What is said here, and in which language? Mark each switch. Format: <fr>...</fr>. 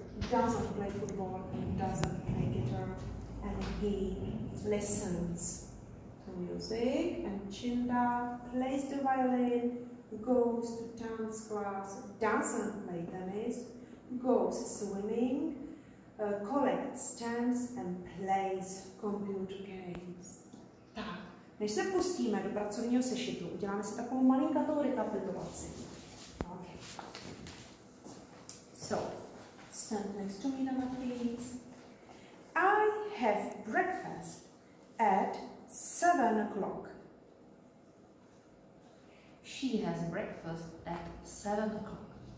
<en>doesn't play football, doesn't play guitar, and he listens to music, and Chinda plays the violin, goes to dance class, doesn't play tennis, goes swimming, collects stamps and plays computer games.</en> <cs>Tak, než se pustíme do pracovního sešitu, uděláme si takovou malinkatou rekapitulaci.</cs> <en>Okay. So, stand next to me, Nana, please. I have breakfast at 7 o'clock. She has breakfast at 7 o'clock.</en>